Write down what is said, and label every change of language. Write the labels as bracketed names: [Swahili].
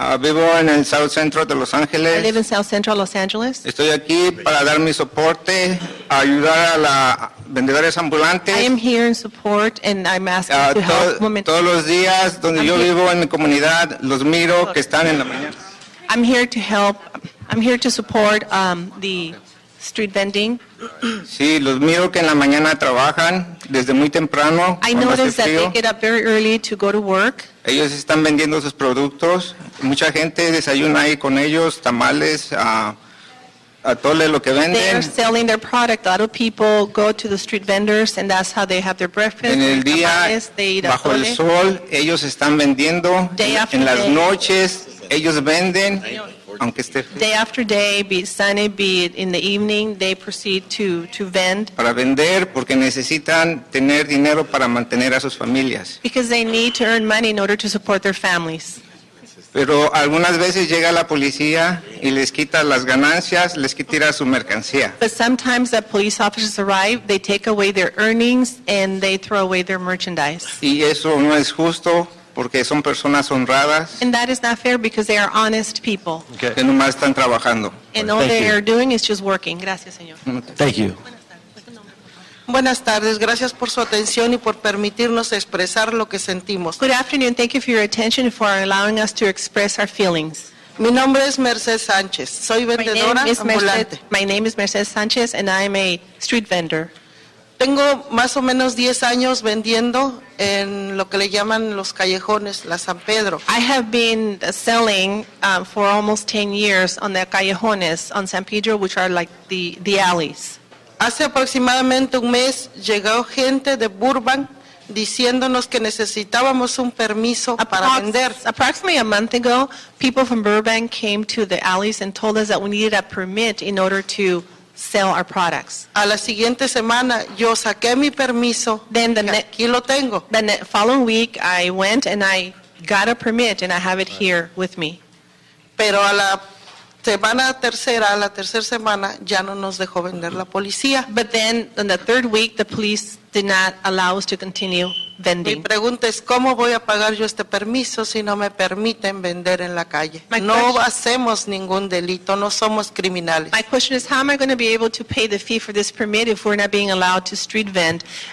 [Spanish] Vivo en el South Central de Los Ángeles. [English] I live in South Central Los Angeles. [Spanish] Estoy aquí para dar mi soporte, ayudar a la vendedores ambulantes. [English] I am here in support, and I'm asking to help women. [Spanish] Todos los días donde yo vivo en mi comunidad, los miro que están en la mañana. [English] I'm here to help. I'm here to support the street vending. [Spanish] Sí, los miro que en la mañana trabajan desde muy temprano. [English] I noticed that they get up very early to go to work. [Spanish] Ellos están vendiendo sus productos. Mucha gente desayuna ahí con ellos, tamales, atole, lo que venden. [English] They are selling their product. A lot of people go to the street vendors, and that's how they have their breakfast. [Spanish] En el día, bajo el sol, ellos están vendiendo. [English] Day after [Spanish] en las noches, ellos venden. [English] Day after day, be it sunny, be it in the evening, they proceed to vend. [Spanish] Para vender porque necesitan tener dinero para mantener a sus familias. [English] Because they need to earn money in order to support their families. [Spanish] Pero algunas veces llega la policía y les quita las ganancias, les quita su mercancía. [English] But sometimes the police officers arrive, they take away their earnings and they throw away their merchandise. [Spanish] Y eso no es justo. Porque son personas honradas. [English] And that is not fair because they are honest people. [Spanish] Okay. Que nomás están trabajando. [English] And all they are doing is just working. [Spanish] Gracias, señor. [English] Thank you. [Spanish] Buenas tardes. Gracias por su atención y por permitirnos expresar lo que sentimos. [English] Good afternoon. Thank you for your attention and for allowing us to express our feelings. [Spanish] Mi nombre es Mercedes Sánchez. Soy vendedora ambulante. [English] My name is Mercedes Sánchez and I am a street vendor. [Spanish] Tengo más o menos 10 años vendiendo en lo que le llaman los callejones, la San Pedro. [English] I have been selling for almost 10 years on the callejones on San Pedro, which are like the alleys. [Spanish] Hace aproximadamente un mes llegó gente de Burbank diciéndonos que necesitábamos un permiso para vender. [English] Approximately a month ago, people from Burbank came to the alleys and told us that we needed a permit in order to sell our products. [Spanish] A la siguiente semana, yo saqué mi permiso. [English] Then [Spanish] aquí lo tengo. [English] Then the following week, I went and I got a permit, and I have it here with me. [Spanish] Pero a la semana tercera, a la tercera semana, ya no nos dejó vender la policía. [English] But then, in the third week, the police did not allow us to continue vending. [Spanish] Mi pregunta es, ¿cómo voy a pagar yo este permiso si no me permiten vender en la calle? [English] My [Spanish] no [English] question, [Spanish] hacemos ningún delito, no somos criminales. [English] My question is, how am I going to be able to pay the fee for this permit if we're not being allowed to street vend?